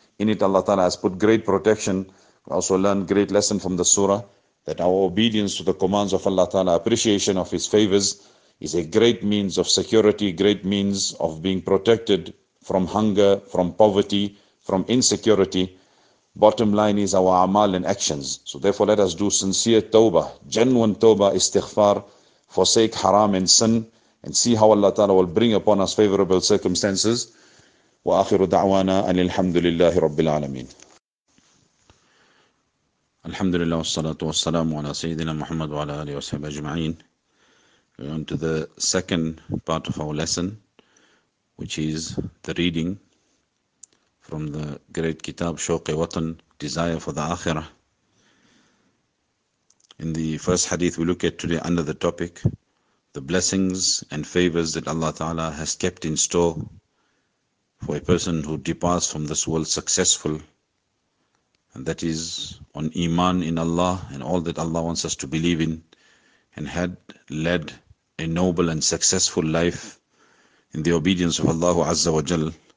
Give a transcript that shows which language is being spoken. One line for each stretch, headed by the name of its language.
English: In it, Allah Ta'ala has put great protection. We also learn great lesson from the surah that our obedience to the commands of Allah Ta'ala, appreciation of his favors, is a great means of security, great means of being protected from hunger, from poverty, from insecurity. Bottom line is our amal and actions. So therefore, let us do sincere tawbah, genuine tawbah, istighfar, forsake haram and sin, and see how Allah Ta'ala will bring upon us favorable circumstances.
Arabic: وآخر دعوانا أن الحمد لله رب العالمين الحمد لله والصلاة والسلام على سيدنا محمد وعلى آله وصحبه أجمعين.
English: We're on to the second part of our lesson, which is the reading from the great kitab Shawqi Watan, Desire for the Akhirah. In the first hadith we look at today under the topic, the blessings and favors that Allah Ta'ala has kept in store for a person who departs from this world successful, and that is on Iman in Allah and all that Allah wants us to believe in, and had led a noble and successful life in the obedience of Allah Azza wa Jal.